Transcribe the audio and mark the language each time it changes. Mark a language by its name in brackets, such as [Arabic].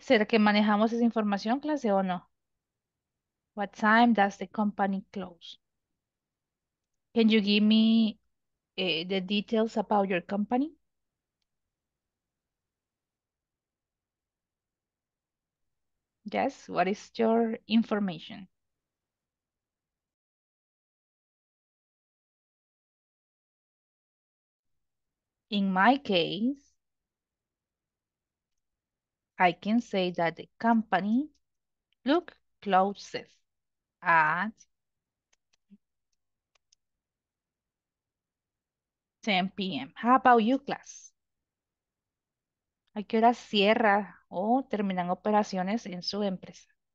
[Spanish] ¿Será que manejamos esa información, clase, o no? [English] What time does the company close? Can you give me the details about your company? Yes, what is your information? In my case, I can say that the company look closes at 10 p.m. How about you, class? [Spanish] ¿A qué hora cierra o terminan operaciones en su empresa?